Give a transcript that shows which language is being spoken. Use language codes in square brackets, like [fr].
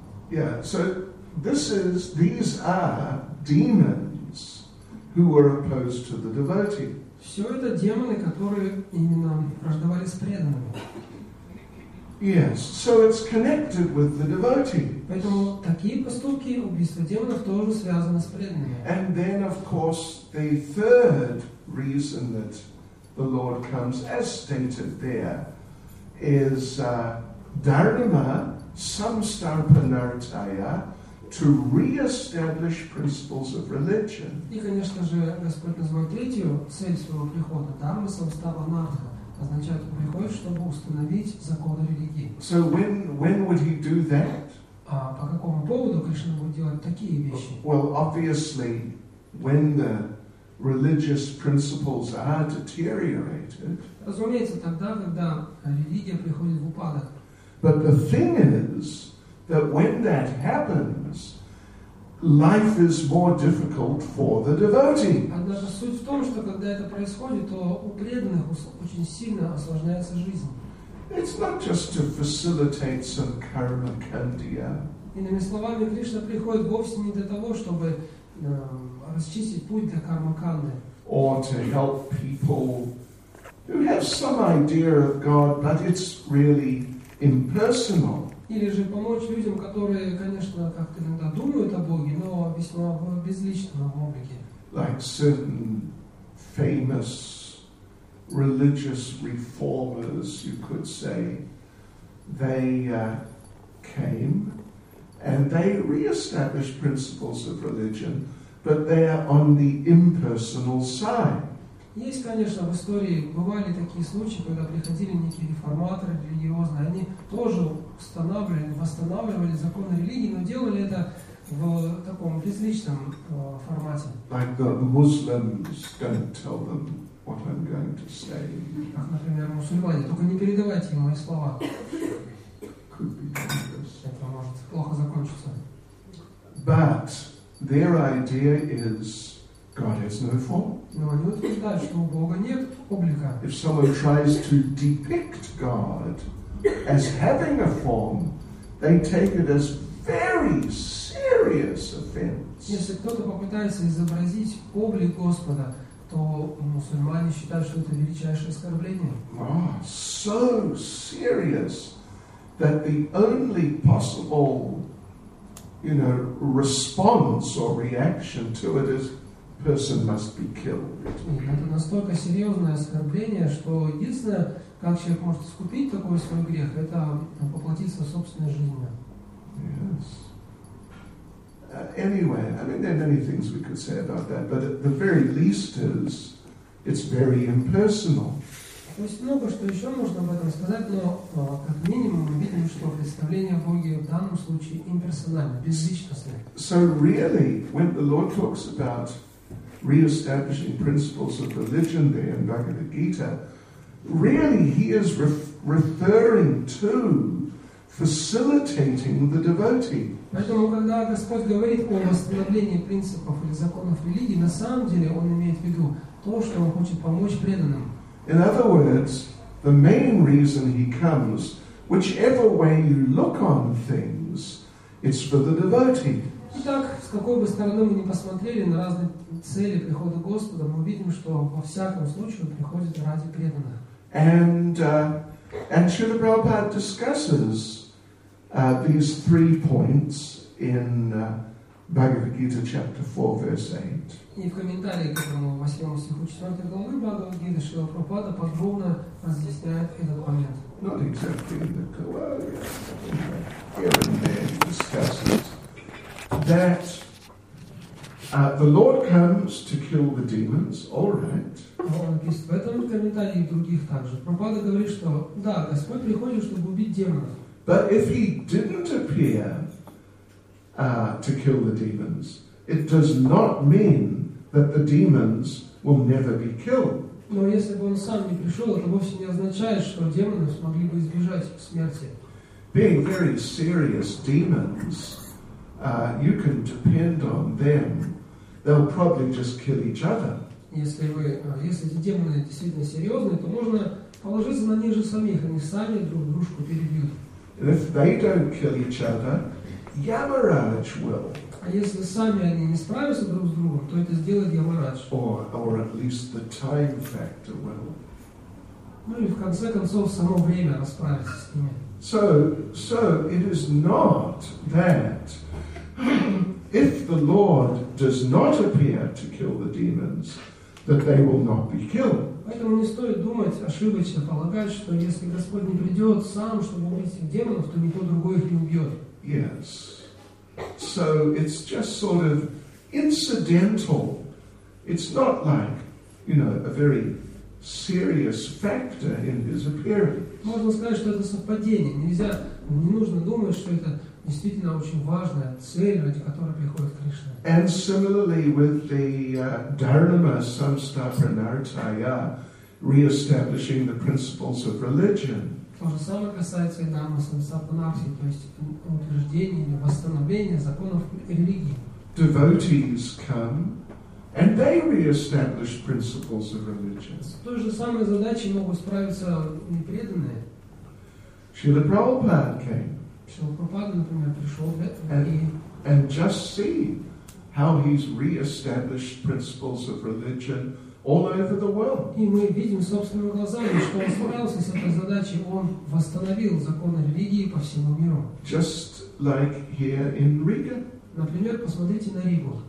[en] Yeah, so this is, these are demons who were opposed to the devotee. [ru] Все это демоны, которые именно враждовали с преданными. [en] Yes, so it's connected with the devotee. [ru] Поэтому такие поступки, убийство демонов, тоже связаны с преданными. [en] And then, of course, the third reason that the Lord comes, as stated there, is dharma samstarpanartaya, to re-establish principles of religion. [ru] И, конечно же, Господь назвал третью цель своего прихода дарма самстапанартха. Означает, он приходит, чтобы установить законы религии. [en] So when would he do that? [ru] А по какому поводу Кришна будет делать такие вещи? [en] Well, obviously, when the religious principles are deteriorated. [ru] Разумеется, тогда, когда религия приходит в упадок. [en] But the thing is that when that happens, life is more difficult for the devotee. [ru] Однако суть в том, что когда это происходит, то у преданных очень сильно осложняется жизнь. [en] It's not just to facilitate some karma kandiya. [ru] Иными словами, Кришна приходит вовсе не для того, чтобы расчистить путь для карма канды. [en] Or to help people who have some idea of God, but it's really impersonal. [ru] Или же помочь людям, которые, конечно, как-то иногда думают о Боге, но весьма в безличном облике. [en] Like certain famous religious reformers, you could say, they came and they re-established principles of religion, but they are on the impersonal side. [ru] Есть, конечно, в истории бывали такие случаи, когда приходили некие реформаторы религиозные, они тоже восстанавливали законы религии, но делали это в таком безличном формате. [en] Like the Muslims don't tell them what I'm going to say. [ru] Как, например, мусульмане, только не передавайте им мои слова. [en] Could be dangerous. [ru] Это может плохо закончиться. [en] But their idea is God has no form. [ru] Но они утверждают, что у Бога нет облика. [en] If someone tries to depict God as having a form, they take it as very serious offense. [ru] Если кто-то попытается изобразить облик Господа, то мусульмане считают, что это величайшее оскорбление. [en] Oh, so serious that the only possible, you know, response or reaction to it is person must be killed. [ru] Это настолько серьезное оскорбление, что единственное, как человек может искупить такой свой грех, это поплатиться собственной жизнью. [en] Yes. Anyway, I mean, there are many things we could say about that, but at the very least is, it's very impersonal. [ru] То есть много что еще можно об этом сказать, но как минимум мы видим, что представление о Боге в данном случае имперсонально, безличностное. [en] So really, when the Lord talks about re-establishing principles of religion there in Bhagavad Gita, really he is referring to facilitating the devotee. [ru] Поэтому, когда Господь говорит о восстановлении принципов или законов религии, на самом деле он имеет в виду то, что он хочет помочь преданным. [en] In other words, the main reason he comes, whichever way you look on things, it's for the devotee. [ru] Итак, с какой бы стороны мы ни посмотрели на разные цели прихода Господа, мы видим, что во всяком случае он приходит ради преданных. [en] And Srila Prabhupada discusses these three points in Bhagavad Gita chapter 4, verse 8. [ru] И в комментарии к этому восьмому стиху 4 главы Бхагавад Гиты Шрила Прабхупада подробно разъясняет этот момент. [en] Not exactly in the here and there he discusses that the Lord comes to kill the demons, all right. [ru] В этом комментарии и других также. Прабхупада говорит, что да, Господь приходит, чтобы убить демонов. [en] But if he didn't appear to kill the demons, it does not mean that the demons will never be killed. [ru] Но если бы он сам не пришел, это вовсе не означает, что демоны смогли бы избежать смерти. [en] Being very serious demons, you can depend on them. They'll probably just kill each other. [ru] Если эти демоны действительно серьезные, то можно положиться на них же самих, они сами друг дружку перебьют. [en] And if they don't kill each other, Yamaraj will. [ru] А если сами они не справятся друг с другом, то это сделает Ямарадж. [en] Or at least the time factor will. [ru] Ну и в конце концов само время расправится с ними. [en] So it is not that if the Lord does not appear to kill the demons, that they will not be killed. [ru] Поэтому не стоит думать ошибочно полагать, что если Господь не придет сам, чтобы убить этих демонов, то никто другой их не убьет. [en] Yes. So it's just sort of incidental. It's not like, you know, a very serious factor in his appearance. [ru] Можно сказать, что это совпадение. Нельзя, не нужно думать, что это действительно очень важная цель, ради которой приходит Кришна. [en] And similarly with the Dharma Samstaprnartaya re-establishing the principles of religion. [ru] То же самое касается и Дхарма Самстапанарти, то есть утверждения или восстановления законов религии. [en] Devotees come and they re-establish principles of religion. [ru] С той же самой задачей могут справиться непреданные. [en] Srila Prabhupada came. [ru] Srila Prabhupada, например, пришел [en] and just see how he's re-established principles of religion all over the world. [ru] И мы видим собственными глазами, что он справился с этой задачей, он восстановил законы религии по всему миру. [en] Just like here in Riga. [ru] Например, посмотрите на Ригу.